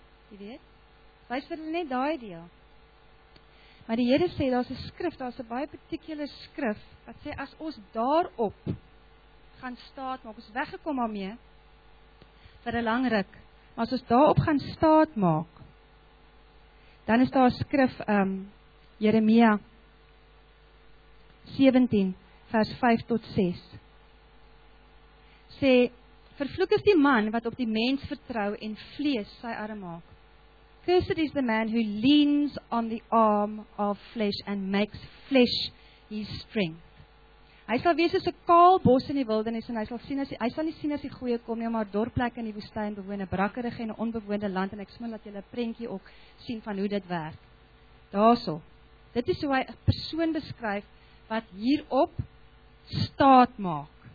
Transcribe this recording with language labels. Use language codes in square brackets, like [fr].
[af] Jy weet, wys vir hulle net daai deel. Maar die Here sê, daar's 'n skrif, daar's 'n baie particular skrif, wat sê, as ons daarop gaan staat maak, ons weggekom daarmee vir 'n lang ruk, maar as ons daarop gaan staat maak, dan is daar skrif Jeremia 17 vers 5 tot 6. Sê, Vervloek is die man wat op die mens vertrou en vlees sy arm maak. [en] Cursed is the man who leans on the arm of flesh and makes flesh his strength. [af] Hy sal wees soos 'n kaal bos in die wildernis en hy sal nie sien as die goeie kom nie, maar dorplekke in die woestyn bewoon 'n brakkerige en 'n onbewoonde land en ek smil dat jy 'n prentjie ook sien van hoe dit werk. Daarso. Dit is hoe hy 'n persoon beskryf wat hierop staat maak.